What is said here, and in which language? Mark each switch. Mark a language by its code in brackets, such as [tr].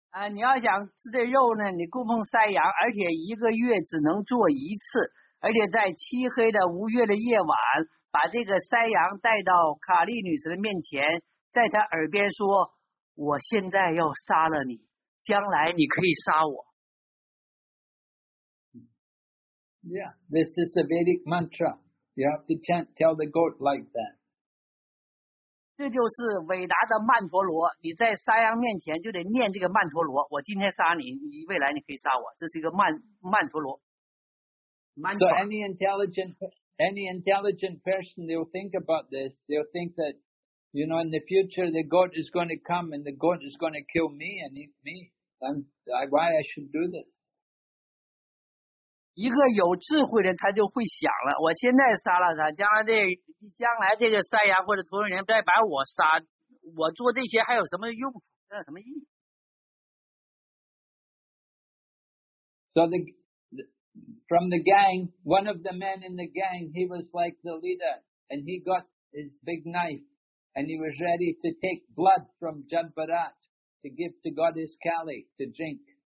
[zh] 你要想吃这肉呢，你供奉山羊，而且一个月只能做一次，而且在漆黑的无月的夜晚，把这个山羊带到卡利女神的面前，在她耳边说，我现在要杀了你，将来你可以杀我。 [en] Yeah, this is a Vedic mantra. You have to chant, tell the goat like that. [zh] 这就是伟达的曼陀罗，你在山羊面前就得念这个曼陀罗，我今天杀你，你未来你可以杀我，这是一个曼陀罗。 [en] mantra. So any intelligent person, they'll think about this. They'll think that, you know, in the future, the goat is going to come and the goat is going to kill me and eat me. Why I should do this? [zh] 一个有智慧的人，他就会想了：我现在杀了他，将来这个山羊或者屠龙人再把我杀，我做这些还有什么用处？那什么意义？ [en] So from the gang, one of the men in the gang, he was like the leader, and he got his big knife, and he was ready to take blood from Jambarat to give to Goddess Kali to drink.